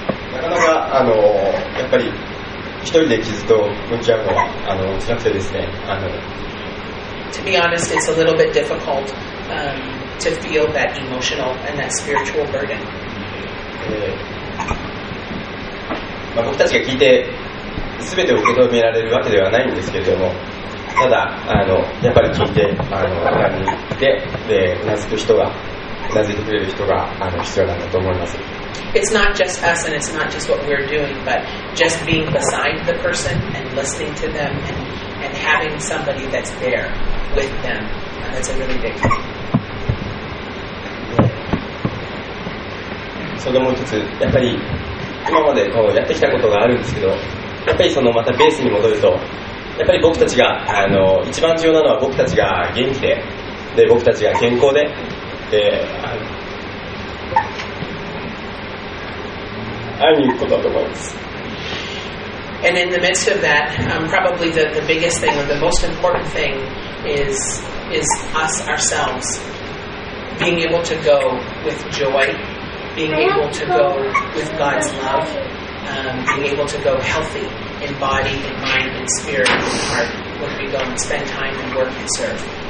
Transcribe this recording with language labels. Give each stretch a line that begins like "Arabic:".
Japanese: なかなかやっぱり一人で傷と向き合うのは辛くてですね。
English: To be honest, it's a little bit difficult to feel that emotional and that spiritual burden.
Japanese: 僕たちが聞いて全てを受け止められるわけではないんですけれども、ただやっぱり聞いて何に行ってで頷く人が頷いてくれる人が必要なんだと思います。
English: It's not just us and it's not just what we're doing, but just being beside the person and listening to them and having somebody that's there with them, that's a really big thing.
Japanese: それでもう一つ、やっぱり今までこうやってきたことがあるんですけど、やっぱりそのまたベースに戻ると、やっぱり僕たちが一番重要なのは僕たちが元気 で, で僕たちが健康で、会いに行くことだと思います。
English: And in the midst of that, probably the biggest thing or the most important thing is us ourselves being able to go with joy, being able to go with God's love, being able to go healthy in body, in mind, in spirit, in heart when we go and spend time and work and serve.